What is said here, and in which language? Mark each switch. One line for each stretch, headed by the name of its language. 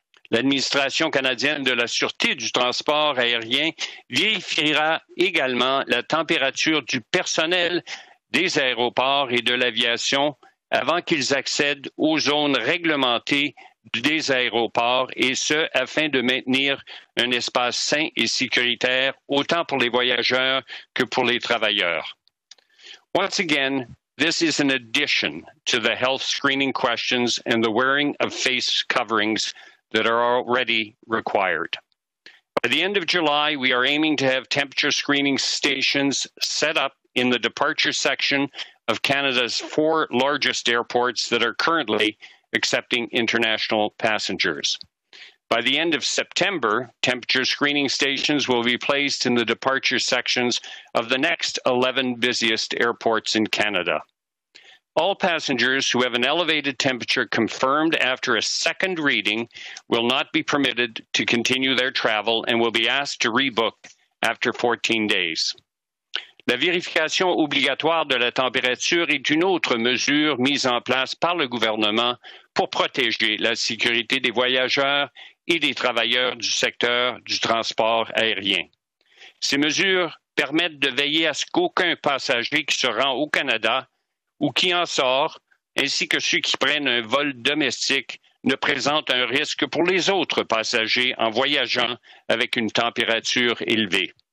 French: L'Administration canadienne de la Sûreté du transport aérien vérifiera également la température du personnel des aéroports et de l'aviation avant qu'ils accèdent aux zones réglementées des aéroports, et ce, afin de maintenir un espace sain et sécuritaire, autant pour les voyageurs que pour les travailleurs.
English: Once again, this is an addition to the health screening questions and the wearing of face coverings that are already required. By the end of July, we are aiming to have temperature screening stations set up in the departure section of Canada's four largest airports that are currently accepting international passengers. By the end of September, temperature screening stations will be placed in the departure sections of the next 11 busiest airports in Canada. All passengers who have an elevated temperature confirmed after a second reading will not be permitted to continue their travel and will be asked to rebook after 14 days.
French: La vérification obligatoire de la température est une autre mesure mise en place par le gouvernement pour protéger la sécurité des voyageurs et des travailleurs du secteur du transport aérien. Ces mesures permettent de veiller à ce qu'aucun passager qui se rend au Canada ou qui en sort, ainsi que ceux qui prennent un vol domestique, ne présentent un risque pour les autres passagers en voyageant avec une température élevée.